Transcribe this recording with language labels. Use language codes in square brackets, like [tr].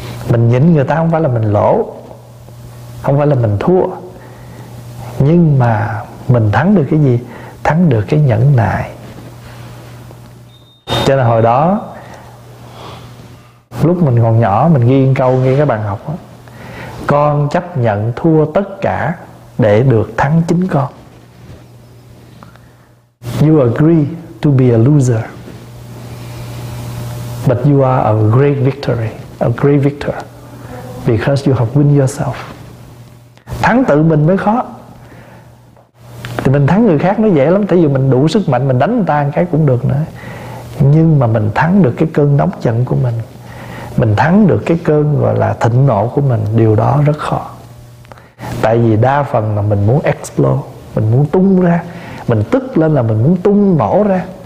[vi] Mình nhịn người ta không phải là mình lỗ, không phải là mình thua, nhưng mà mình thắng được cái gì? Thắng được cái nhẫn nại. Cho nên hồi đó lúc mình còn nhỏ, mình ghi câu ngay cái bàn học đó, con chấp nhận thua tất cả để được thắng chính con. [en] You agree to be a loser, but you are a great victory, a great victor, because you have win yourself. [vi] Thắng tự mình mới khó. Thì mình thắng người khác nó dễ lắm, tại vì mình đủ sức mạnh, mình đánh người ta một cái cũng được nữa. Nhưng mà mình thắng được cái cơn nóng giận của mình, mình thắng được cái cơn gọi là thịnh nộ của mình, điều đó rất khó. Tại vì đa phần là mình muốn explode, mình muốn tung ra, mình tức lên là mình muốn tung nổ ra.